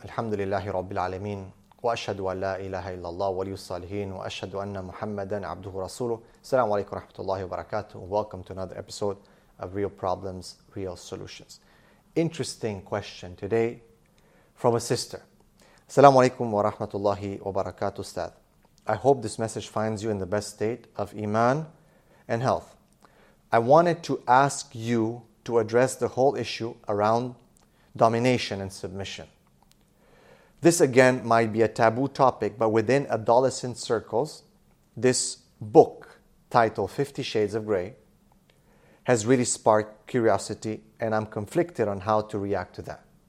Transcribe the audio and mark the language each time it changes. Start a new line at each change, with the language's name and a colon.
Arabic: الحمد لله رب العالمين، وأشهد أن لا إله إلا الله ولي الصالحين، وأشهد أن محمدا عبده ورسوله. السلام عليكم ورحمة الله وبركاته.
English: Welcome to another episode of Real Problems, Real Solutions. Interesting question today from a sister.
Arabic: السلام عليكم ورحمة الله وبركاته أستاذ.
English: I hope this message finds you in the best state of Iman and health. I wanted to ask you to address the whole issue around domination and submission. This again might be a taboo topic, but within adolescent circles, this book titled 50 Shades of Grey has really sparked curiosity, and I'm conflicted on how to react to that.